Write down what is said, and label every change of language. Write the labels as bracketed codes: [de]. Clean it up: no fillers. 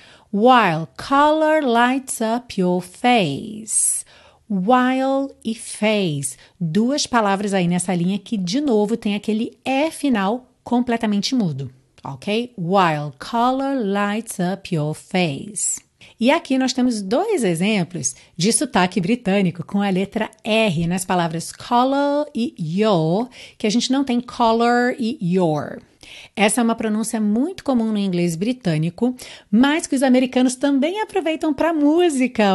[en] While color lights up your face. While e face. [pt] Duas palavras aí nessa linha que, de novo, tem aquele E final completamente mudo, ok? [en] While color lights up your face. [pt] E aqui nós temos dois exemplos de sotaque britânico com a letra R nas palavras color e your, que a gente não tem color e your. Essa é uma pronúncia muito comum no inglês britânico, mas que os americanos também aproveitam para música.